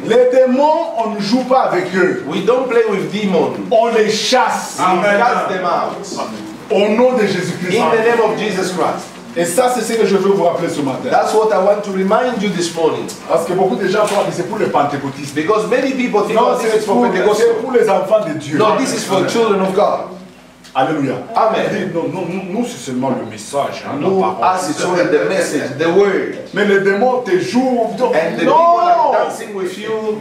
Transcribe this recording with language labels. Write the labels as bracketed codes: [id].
[fr] Les démons, on ne joue pas avec eux. [en] We don't play with demons. [fr] On les chasse. [en] Amen. We cast them out. [fr] Au nom de Jésus-Christ. [en] In the name of Jesus Christ. [fr] Et ça, c'est ce que je veux vous rappeler ce matin. [en] That's what I want to remind you this morning. [fr] Parce que beaucoup de gens croient que c'est pour les pentecôtistes. [en] Because many people think [fr] non, [en] this is for [fr] Pentecostals. C'est pour les enfants de Dieu. [en] No, this is for children of God. [fr] Alléluia. [en] Amen. [fr] Non, non, nous, nous c'est seulement le message, hein, nous, la parole. Ah, c'est seulement le message, [en] the word. [fr] Mais les démons te jouent. [en] And the people are dancing with you.